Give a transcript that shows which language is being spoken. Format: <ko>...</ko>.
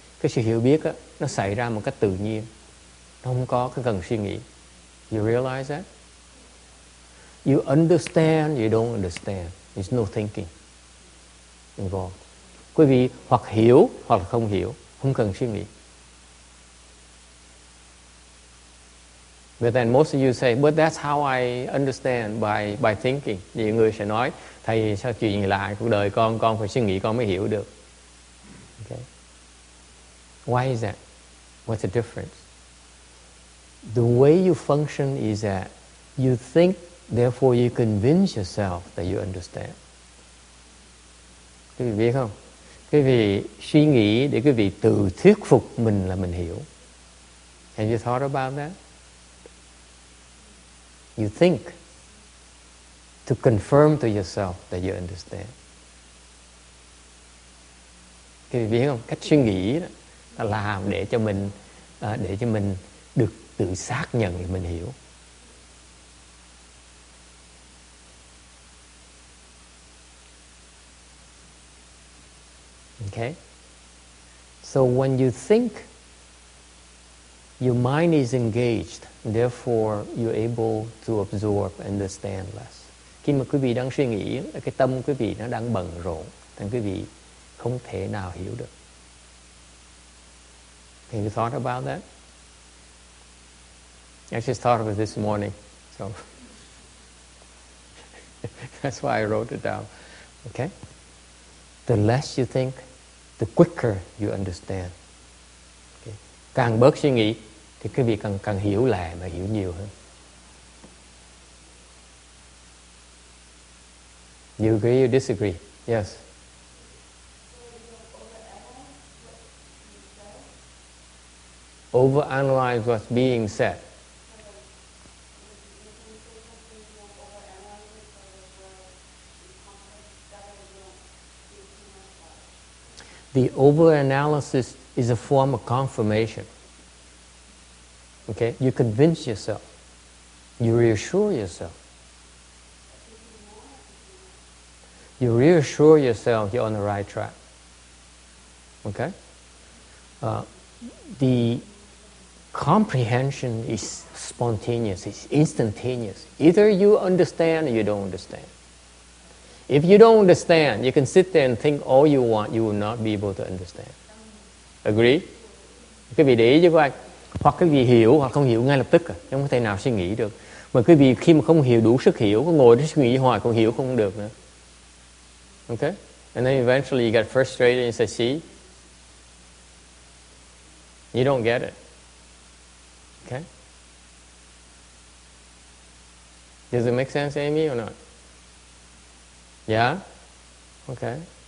<vi>Cái sự hiểu biết đó, nó xảy ra một cách tự nhiên. Nó không có cái cần suy nghĩ.</vi> <en>You realize that? You understand, you don't understand. There's no thinking involved.</en> <vi>Quý vị hoặc hiểu hoặc không hiểu, không cần suy nghĩ.</vi> <en>But then most of you say, but that's how I understand by thinking.</en> <vi>Nhiều người sẽ nói, thầy sao chuyện gì lại cuộc đời con phải suy nghĩ con mới hiểu được.</vi> <en>Okay. Why is that? What's the difference? The way you function is that you think, therefore you convince yourself that you understand.</en> <vi>Quý vị biết không? Quý vị suy nghĩ để quý vị tự thuyết phục mình là mình hiểu.</vi> <en>Have you thought about that? You think to confirm to yourself that you understand.</en> <vi>Quý vị biết không? Cách suy nghĩ đó là làm để cho mình được tự xác nhận là mình hiểu.</vi> <en>Okay. So when you think, your mind is engaged, therefore you're able to absorb and understand less.</en> <vi>Khi mà quý vị đang suy nghĩ, cái tâm quý vị nó đang bận rộn, nên quý vị không thể nào hiểu được.</vi> <en>Have you thought about that? I just thought of it this morning. So that's why I wrote it down. Okay? The less you think, the quicker you understand. Okay.</en> <vi>Càng bớt suy nghĩ, thì quý vị càng hiểu lẹ mà hiểu nhiều hơn.</vi> <en>You agree, you disagree? Yes. Overanalyze what's being said. The overanalysis is a form of confirmation. Okay? You convince yourself. You reassure yourself. You reassure yourself you're on the right track. Okay? The comprehension is spontaneous. It's instantaneous. Either you understand or you don't understand. If you don't understand, you can sit there and think all you want, you will not be able to understand. Agree?</en> <vi>Quý vị để ý cho coi, hoặc quý vị hiểu hoặc không hiểu ngay lập tức, không có thể nào suy nghĩ được. Mà quý vị khi mà không hiểu đủ sức hiểu, có ngồi để suy nghĩ hoài, còn hiểu không được nữa.</vi> <en>Okay? And then eventually you get frustrated and you say, see? You don't get it. Okay? Does it make sense, Amy, or not? Yeah? Okay.</en>